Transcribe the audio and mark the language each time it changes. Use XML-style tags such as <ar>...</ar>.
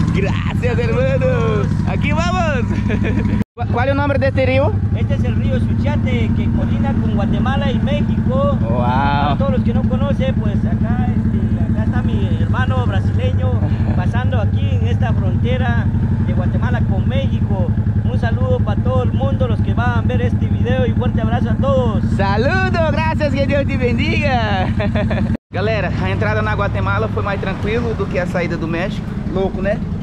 <es>Gracias, hermano.</es> <pt>Aqui vamos. Qual é o nome deste rio? Este é o rio Suchiate, que colina com Guatemala e México. Wow. Para todos os que não conhecem,</pt> <es>pues acá está mi hermano brasileño</es> <pt>passando aqui em</pt> <es>esta frontera de Guatemala com México. Un saludo para todo el mundo, los que van a ver este video, y fuerte abrazo a todos. Saludo, gracias, que Dios te bendiga.</es> <pt>Galera, a entrada na Guatemala foi mais tranquilo do que a saída do México. Louco, né?</pt>